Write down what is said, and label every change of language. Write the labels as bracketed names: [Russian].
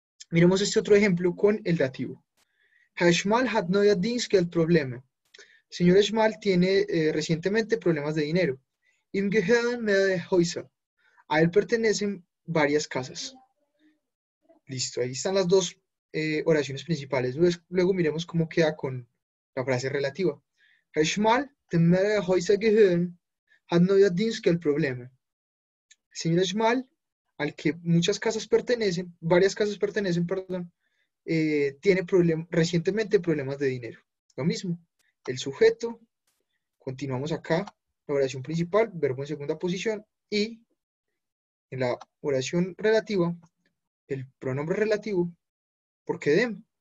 [Spanish] Miremos este otro ejemplo con el dativo. [German] Herr Schmal hat neuerdings Geld Probleme. [Spanish] Señor Schmal tiene recientemente problemas de dinero. [German] Ihm gehören mehrere Häuser. [Spanish] A él pertenecen varias casas. Listo, ahí están las dos. Oraciones principales. Luego miremos cómo queda con la frase relativa. [German] Herr Schmal, dem mehrere Häuser gehören, hat neuerdings Geld Probleme. [Spanish] Señor Schmal, al que muchas casas pertenecen, varias casas pertenecen, perdón, tiene recientemente problemas de dinero. Lo mismo, el sujeto, continuamos acá, la oración principal, verbo en segunda posición, y en la oración relativa, el pronombre relativo. ¿Por qué dem?